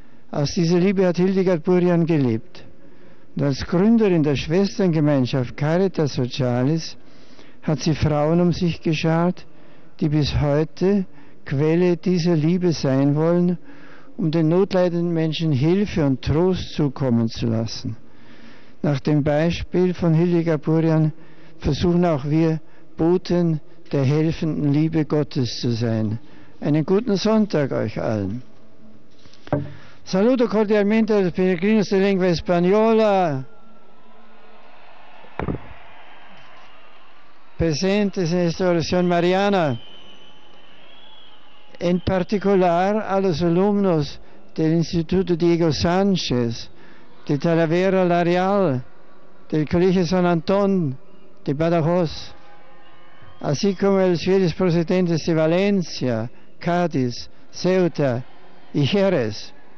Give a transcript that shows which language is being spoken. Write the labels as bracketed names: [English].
[German] Aus dieser Liebe hat Hildegard Burian gelebt. Und als Gründerin der Schwesterngemeinschaft Caritas Socialis hat sie Frauen um sich geschart, die bis heute Quelle dieser Liebe sein wollen, um den notleidenden Menschen Hilfe und Trost zukommen zu lassen. Nach dem Beispiel von Hildegard Burian versuchen auch wir, Boten der helfenden Liebe Gottes zu sein. Einen guten Sonntag euch allen. [Italian] Saluto cordialmente al pellegrino di lingua spagnola presente in questa orazione mariana. [Spanish] En particular a los alumnos del Instituto Diego Sánchez, de Talavera La Real, del Colegio San Antón de Badajoz, así como a los fieles procedentes de Valencia, Cádiz, Ceuta y Jerez.